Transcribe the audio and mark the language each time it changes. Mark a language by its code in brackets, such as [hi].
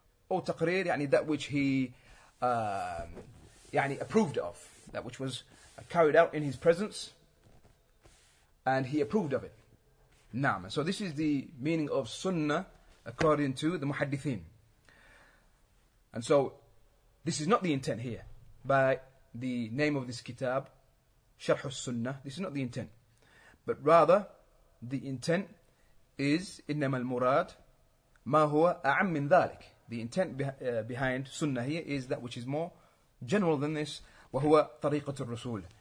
[en] Or taqreer, يعني that which he يعني approved of, that which was carried out in his presence, and he approved of it. Naam. So this is the meaning of sunnah according to the muhaddithin. And so this is not the intent here by the name of this kitab, Sharh al-Sunnah. This is not the intent. But rather, the intent is [ar] إنما المراد ما هو أعم من ذلك. [en] The intent behind sunnah here is that which is more general than this, [ar] وهو طريقة الرسول.